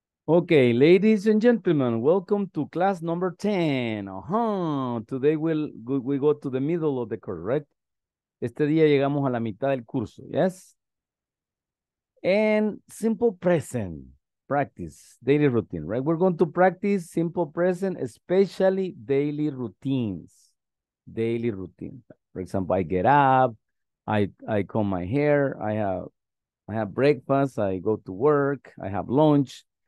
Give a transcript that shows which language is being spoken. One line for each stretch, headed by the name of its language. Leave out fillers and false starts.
English: Okay, ladies and gentlemen, welcome to class number 10. Today we go to the middle of the course, right?
Spanish: Este día llegamos a la mitad del curso, yes?
English: And simple present practice, daily routine, right? We're going to practice simple present, especially daily routines. Daily routine. For example, I get up, I comb my hair, I have breakfast, I go to work, I have lunch.